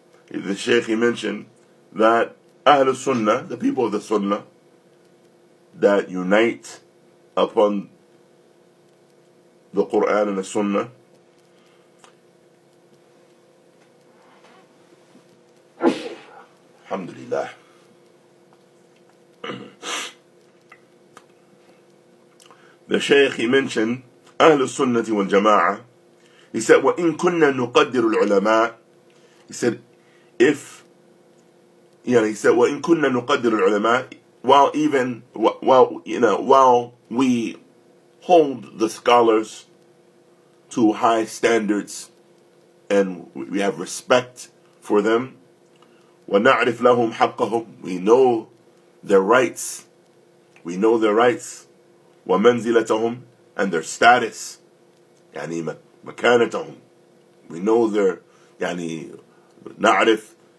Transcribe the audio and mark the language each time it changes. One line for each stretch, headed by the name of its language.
English: The Shaykh he mentioned that أهل السنة, the people of the Sunnah that unite upon the Quran and the Sunnah,
Arabic: الحمد لله.
English: The Shaykh, he mentioned أهل السنة والجماعة. He said,
Arabic: وَإِن كُنَّا نُقَدِّرُ الْعُلَمَاءِ.
English: He said, if, you know, he said,
Arabic: وَإِن كُنَّا نُقَدِّرُ الْعُلَمَاءِ,
English: while even, while, you know, while we hold the scholars to high standards and we have respect for them,
Arabic: وَنَعْرِفْ لَهُمْ حَقَّهُمْ,
English: we know their rights, we know their rights,
Arabic: وَمَنْزِلَتَهُمْ,
English: and their status,
Arabic: يعني مكانتهم,
English: we know their,
Arabic: يعني نعرف